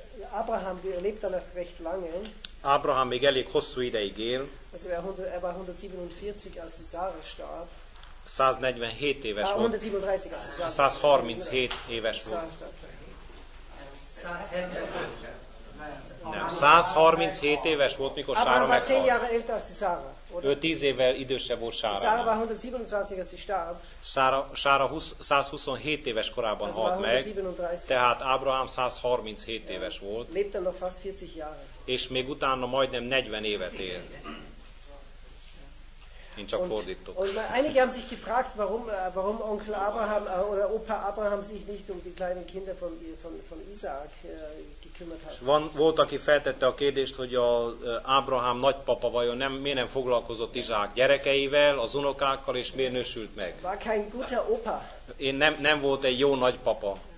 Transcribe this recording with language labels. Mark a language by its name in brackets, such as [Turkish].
[German] Abraham lebt noch recht lange. [Hungarian] Abraham még elég hosszú ideig él. [German] Also er war 147, als die Sarah starb. [Hungarian] 147 éves volt. 137 éves volt. 137 éves volt, mikor Sára meghalt. 5-10 évvel idősebb volt Sára. [German] Sára 127, als sie starb. [Hungarian] Sára 127 éves korában halt meg, tehát Ábrahám 137 éves volt, [German] lebte noch fast 40 Jahre. [Hungarian] És még utána majdnem 40 évet él. Én csak fordítok. [German] Und einige haben sich gefragt, warum Onkel Abraham oder Opa Abraham sich nicht um die kleinen Kinder von Isaac gekümmert hat. [Hungarian] Volt, aki feltette a kérdést, hogy Abraham nagypapa vajon miért nem foglalkozott Izsák gyerekeivel, az unokákkal, és miért nősült meg? [German] War kein guter Opa. [Hungarian] Én nem volt egy jó nagypapa.